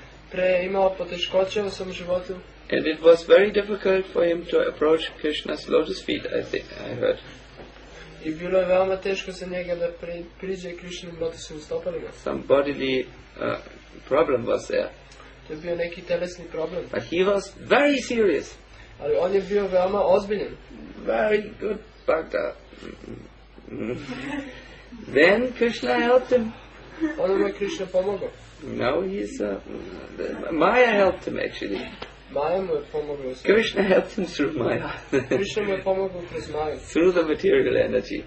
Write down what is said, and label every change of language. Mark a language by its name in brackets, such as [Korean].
[Serbian] Pre je imao poteškoće u svom životu. [English] And it was very difficult for him to approach Krishna's lotus feet, I think, I heard. [Serbian] I bilo je veoma teško za njega da priđe Krishnim lotusovim stopalima. [English] Some bodily problem was there. [Serbian] To je bio neki telesni problem. [English] But he was very serious. [Serbian] Ali on je bio veoma ozbiljen. [English] Very good, Bhakta. Then Krishna helped him. [Serbian] Onda mu je Krishna pomogao. [English] Now he's Maya helped him actually. [Serbian] Maya mu je pomogao. [English] Krishna helped him through Maya. [Serbian] Krishna mu je pomogao kroz Maya. [English] Through the material energy.